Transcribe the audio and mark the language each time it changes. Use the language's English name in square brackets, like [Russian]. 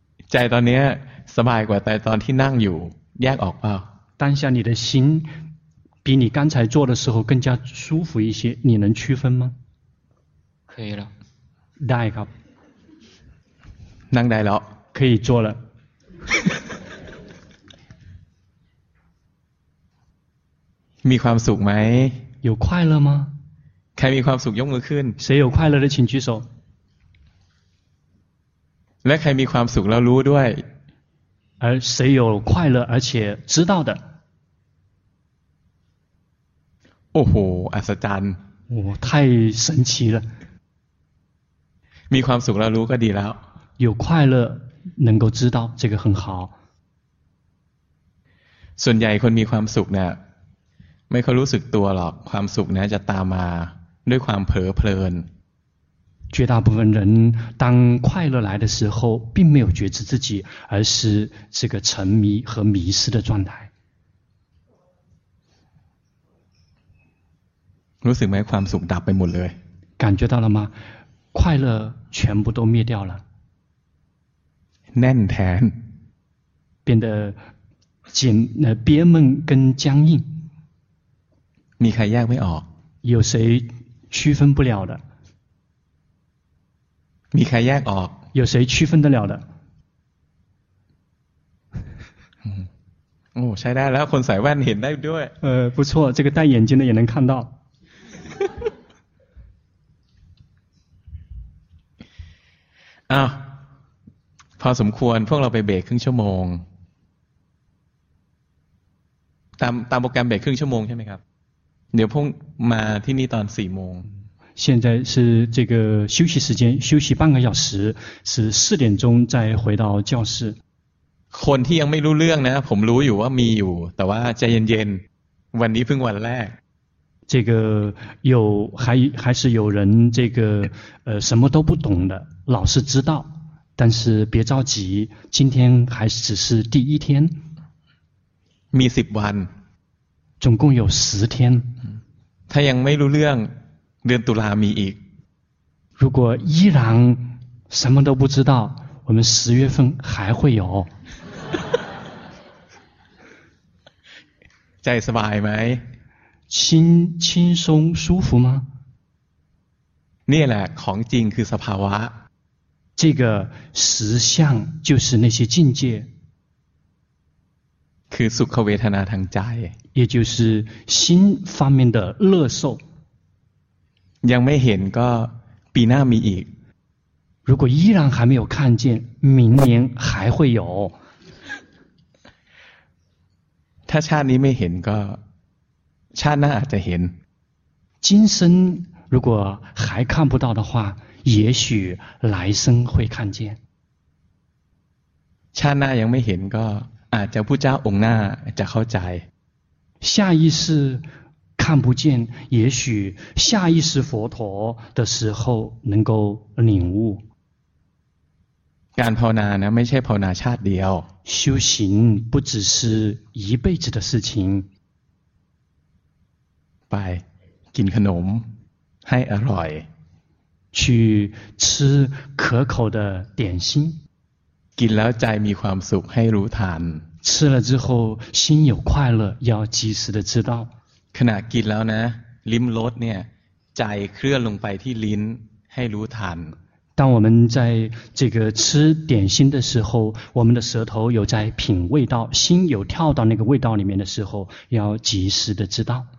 [Thai] ใจตอนนี้สบายกว่าแต่ตอนที่นั่งอยู่แยกออกเปล่า [Chinese] 当下你的心比你刚才坐的时候更加舒服一些你能区分吗可以了 [Thai] ได้ครับ นั่งได้แล้ว [Chinese] 可以坐了 [Thai] มีความสุขไหม [Chinese] 有快乐吗 [Thai] ใครมีความสุขยกมือขึ้น [Chinese] 谁有快乐的请举手 [Thai] และใครมีความสุขแล้วรู้ด้วย [Chinese] 而谁有快乐而且知道的 [Thai] โอ้โหอัศจรรย์ [Chinese] โอ้太神奇了 [Thai] มีความสุขแล้วรู้ก็ดีแล้ว [Chinese] 有快乐能够知道这个很好 [Thai] ส่วนใหญ่คนมีความสุขเนี่ยไม่ค่อยรู้สึกตัวหรอกความสุขเนี่ยจะตามมาด้วยความเผลอเพลิน [Chinese] 绝大部分人当快乐来的时候并没有觉知自己而是这个沉迷和迷失的状态 [Thai] รู้สึกไหมความสุขดับไปหมดเลย [Chinese] 感觉到了吗快乐全部都灭掉了 [Thai] แน่นแทน [Chinese] 变得紧憋闷跟僵硬 [Thai] มีใครแยกไม่ออก [Chinese] 有谁区分不了的 [Thai] มีใครแยกออก [Chinese] 有谁区分得了的 [Thai] โอ้ใช่ได้แล้วคนใส่แว่นเห็นได้ด้วย [Chinese] 不错这个戴眼镜的也能看到 [Thai] พอสมควรพวกเราไปเบรกครึ่งชั่วโมงตามโปรแกรมเบรกครึ่งชั่วโมงใช่ไหมครับเดี๋ยวพวกมาที่นี่ตอนสี่โมง [Chinese] 现在是这个休息时间休息半个小时是四点钟再回到教室 [Thai] คนที่ยังไม่รู้เรื่องนะผมรู้อยู่ว่ามีอยู่แต่ว่าใจเย็นๆวันนี้เพิ่งวันแรก [Chinese] 这个有还是有人这个什么都不懂的老是知道但是别着急今天还只是第一天 [Thai] มี10วัน [Chinese] 总共有10天 [Thai] ถ้ายังไม่รู้เรื่องเดือนตุลามีอีก [Chinese] 如果依然什么都不知道我们10月份还会有 [Thai] ใจสบายไหม [Chinese] 轻松舒服吗 [Thai] นี่แหละของจริงคือสภาวะ [Chinese] 这个实相就是那些境界 [Thai] คือสุขเวทนาทางใจ [Chinese] 也就是心方面的乐受 [Thai] ยังไม่เห็นก็ปีหน้ามีอีก [Chinese] 如果依然还没有看见明年还会有 [Thai] ถ้าชาตินี้ไม่เห็นก็ชาติหน้าอาจจะเห็น [Chinese] 今生如果还看不到的话也许来生会看见 [Thai] ชาติหน้ายังไม่เห็นก็อาจจะพุทธเจ้าองค์หน้าจะเข้าใจ [Chinese] 下意识看不见也许下意识佛陀的时候能够领悟 [Thai] การภาวนานะไม่ใช่ภาวนาชาติเดียว [Chinese] 修行不只是一辈子的事情 [Thai] ไปกินขนมให้อร่อย [Chinese] 去吃可口的点心 [Thai] กินแล้วใจมีความสุขให้รู้ทัน [Chinese] 吃了之后心有快乐要及时的知道 [Thai] ขณะกินแล้วนะลิ้มรสเนี่ยใจเคลื่อนลงไปที่ลิ้นให้รู้ทัน [Chinese] 当我们在这个吃点心的时候我们的舌头有在品味道心有跳到那个味道里面的时候要及时的知道